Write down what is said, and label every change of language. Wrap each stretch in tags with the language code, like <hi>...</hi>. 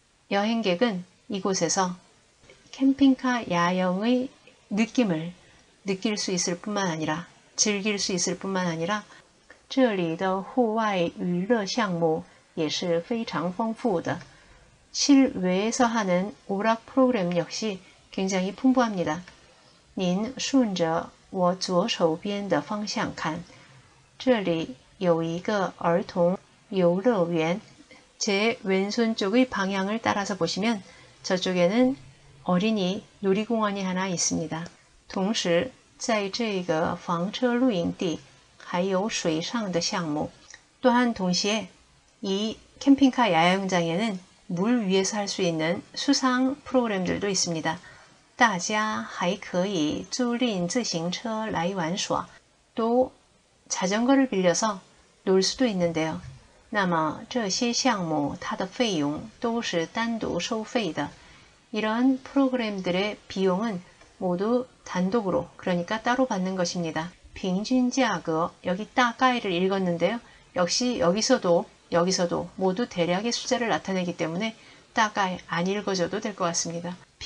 <ko>여행객은이곳에서캠핑카야영의느낌을느낄수있을뿐만아니라즐길수있을뿐만아니라</ko> <zh>这里的户外娱乐项目也是非常丰富的，</zh> <ko>실외에서하는오락프로그램 역시 굉장히 풍부합니다.</ko> <zh>您顺着我左手边的方向看，这里有一个儿童游乐园。</zh> <ko>제 왼손 쪽의 방향을 따라서 보시면 저쪽에는 어린이 놀이공원이 하나 있습니다. 동시에</ko> <zh>在这个房车露营地还有水上的项目。</zh> <ko>또한 동시에 이 캠핑카 야영장에는 물 위에서 할수 있는 수상 프로그램들도 있습니다.</ko> <zh>大家还可以租赁自行车来玩耍，</zh> <ko>또 자전거를 빌려서 놀 수도 있는데요.</ko> <zh>那么这些项目它的费用都是单独收费的。</zh> <ko>이런 프로그램들의 비용은 모두 단독으로, 그러니까 따로 받는 것입니다. 평균가격, 여기 大概를 읽었는데요. 역시 여기서도 모두 대략의 숫자를 나타내기 때문에 大概 안 읽어줘도 될것 같습니다.</ko>